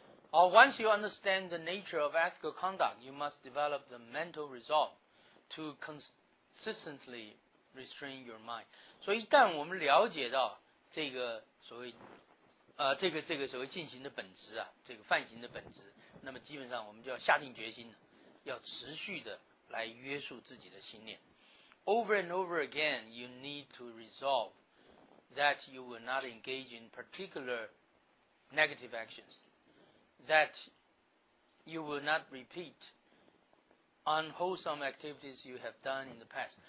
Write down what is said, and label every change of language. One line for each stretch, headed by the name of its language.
English: 好， once you understand the nature of ethical conduct, you must develop the mental resolve to consistently restrain your mind.
Chinese: 所以一旦我们了解到这个所谓这个所谓进行的本质啊，这个犯行的本质，那么基本上我们就要下定决心要持续的来约束自己的心念。
English: Over and over again, you need to resolve that you will not engage in particular negative actions, that you will not repeat unwholesome activities you have done in the past.